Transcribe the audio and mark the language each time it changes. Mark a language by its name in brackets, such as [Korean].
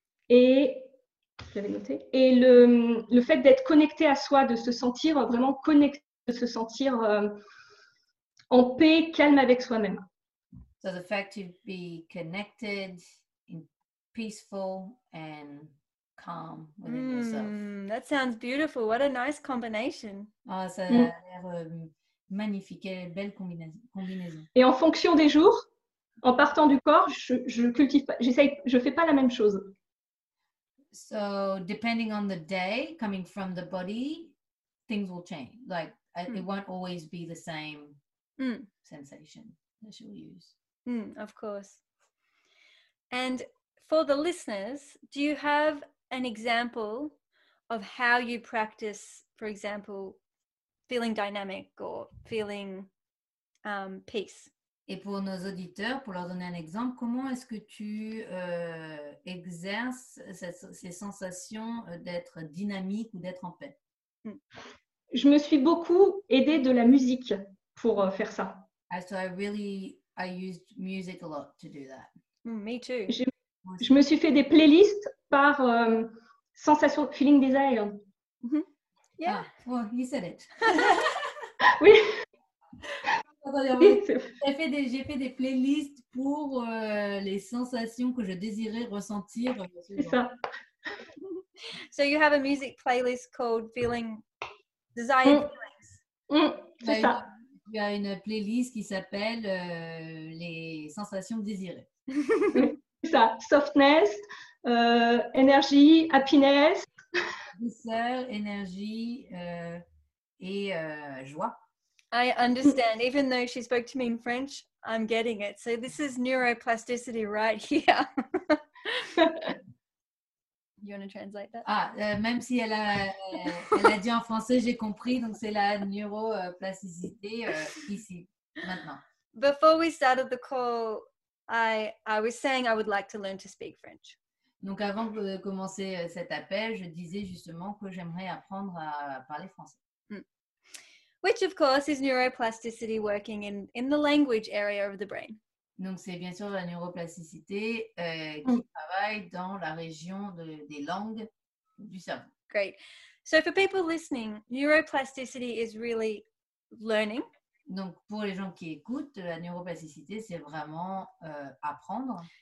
[French] Et, j'avais noté, et le fait d'être connecté à soi, de se sentir vraiment connecté, de se sentir en paix, calme avec soi-même. [English] So the fact to be connected, peaceful and calm within yourself. That sounds beautiful. What a nice combination. [French] Ah, ça a l'air... magnifique, et belle combinaison. Et en fonction des jours, en partant du corps, je fais pas la même chose. [English] So depending on the day, coming from the body, things will change. Like it won't always be the same sensation that you'll use. Mm, of course. And for the listeners, do you have an example of how you practice, for example? Feeling dynamic or feeling peace. [French] Et pour nos auditeurs, pour leur donner un exemple, comment est-ce que tu exerces ces sensations d'être dynamique ou d'être en paix? Je me suis beaucoup aidée de la musique pour faire ça. [English] So I used music a lot to do that. Me too. [French] Je me suis fait des playlists par sensation, [English] feeling desire. Mm-hmm. Yeah. Ah, well, you said it. [French] Oui. J'ai fait des playlists pour les sensations que je désirais ressentir. C'est ça. [English] So you have a music playlist called Feeling Desire Feelings. [French] C'est ça. Il y a une playlist qui s'appelle Les sensations désirées. C'est ça. Softness, énergie, happiness. Douceur, énergie et joie. [English] I understand. Even though she spoke to me in French, I'm getting it. So this is neuroplasticity right here. You want to translate that? [French] Ah, même si elle a dit en français, j'ai compris. Donc c'est la neuroplasticité ici, maintenant. [English] Before we started the call, I was saying I would like to learn to speak French. [French] Donc, avant de commencer cet appel, je disais justement que j'aimerais apprendre à parler français. [English] which of course is neuroplasticity working in the language area of the brain. [French] Donc c'est bien sûr la neuroplasticité qui travaille dans la région des langues du cerveau. [English] Great. So for people listening, neuroplasticity is really learning. [French] Donc pour les gens qui écoutent, la neuroplasticité c'est vraiment apprendre.